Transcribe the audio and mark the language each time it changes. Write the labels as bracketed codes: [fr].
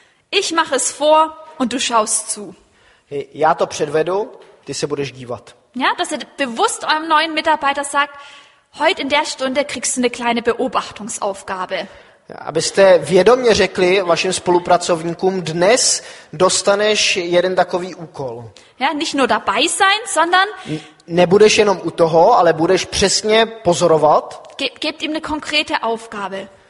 [de] Ich mache es vor und du schaust zu. [cs] Já to předvedu, ty se budeš dívat. [de] Ja, dass ihr bewusst eurem neuen Mitarbeiter sagt, heute in der Stunde kriegst du eine kleine Beobachtungsaufgabe. [cs] Abyste vědomě řekli vašim spolupracovníkům, dnes dostaneš jeden takový úkol. [de] Ja, nicht nur dabei sein, sondern [cs] nebudeš jenom u toho, ale budeš přesně pozorovat. [de] Gebt ihm eine konkrete Aufgabe.